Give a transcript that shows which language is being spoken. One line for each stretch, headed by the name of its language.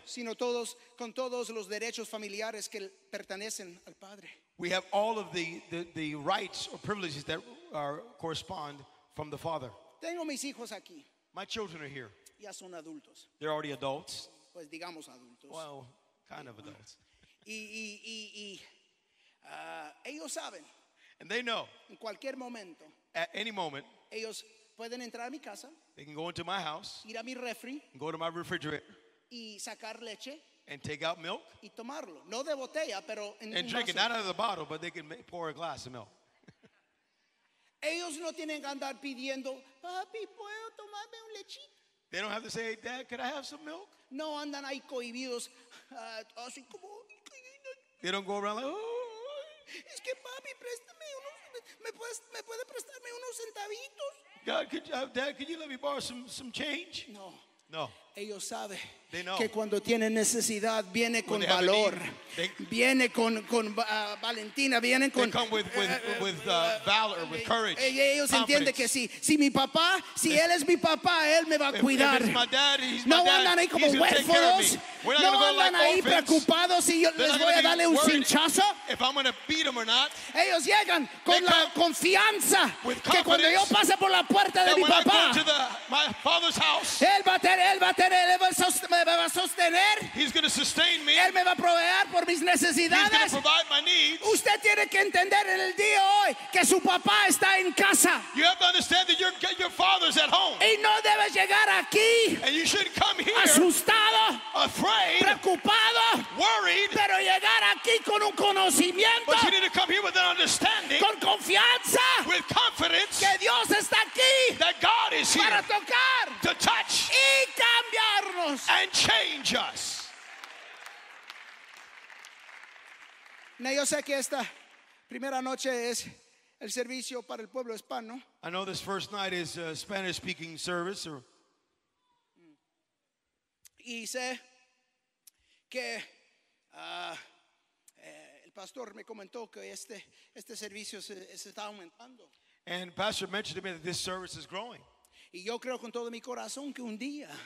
Spanish: sino todos con todos los derechos familiares que pertenecen al padre.
English: We have all of the rights or privileges that are correspond from the father.
Spanish: Tengo mis hijos aquí.
English: My children are here.
Spanish: Ya son adultos.
English: They're already adults.
Spanish: Pues digamos adultos.
English: Well, kind of adults.
Spanish: Y ellos saben.
English: And they know.
Spanish: En cualquier momento.
English: At any moment.
Spanish: Ellos pueden entrar a mi casa.
English: They can go into my house,
Spanish: ir a mi refri,
English: go to my refrigerator,
Spanish: y sacar leche,
English: and take out milk,
Spanish: y tomarlo, no de botella, pero en
English: and drink
Spanish: vaso.
English: It, not out of the bottle, but they can pour a glass of milk.
Spanish: Ellos no tienen que andar pidiendo, papi, ¿puedo tomarme un leche?
English: They don't have to say, Dad, could I have some milk?
Spanish: No andan ahí cohibidos, así como,
English: They don't go around like, oh.
Spanish: Es que papi, préstame unos, me puede prestarme unos centavitos.
English: God, could you, Dad, could you let me borrow some change?
Spanish: No.
English: No.
Spanish: Ellos saben
English: they know.
Spanish: Que cuando tienen necesidad viene con valor, viene con valentina, viene con.
English: They come with valor, with courage.
Spanish: Ellos
English: confidence.
Spanish: Entienden que si mi papá, si él es mi papá, él me va a cuidar.
English: If it's my dad, he's
Spanish: no
English: my dad,
Spanish: andan ahí como huérfanos. No
English: go
Spanish: andan
English: like
Spanish: ahí
English: orphans.
Spanish: Preocupados si yo
English: they're
Spanish: les voy a darle un cinchazo.
English: If I'm gonna beat them or not.
Spanish: Ellos llegan
English: they
Spanish: con la confianza que cuando yo pase por la puerta de mi papá,
English: my father's house,
Spanish: él va a sostener.
English: He's going to sustain me.
Spanish: Él me va a proveer por mis necesidades.
English: He's going to provide my needs.
Spanish: Usted tiene que entender en el día hoy que su papá está en casa.
English: You have to understand that your father's at home.
Spanish: Y no debes llegar aquí.
English: And you shouldn't come here.
Spanish: Asustado.
English: Afraid.
Spanish: Preocupado.
English: Worried.
Spanish: Pero llegar aquí con un conocimiento.
English: But you need to come here with an understanding.
Spanish: Con confianza.
English: With confidence.
Spanish: Que Dios está aquí.
English: That God is here.
Spanish: Para tocar.
English: To touch.
Spanish: Y cambiarnos.
English: And change us. Now,
Spanish: yo sé que esta primera noche es el servicio para el pueblo hispano.
English: I know this first night is a Spanish-speaking service. Or...
Spanish: Y sé que el pastor me comentó que este servicio se está aumentando.
English: And pastor mentioned to me that this service is growing.
Spanish: Y yo creo con todo mi corazón que un día.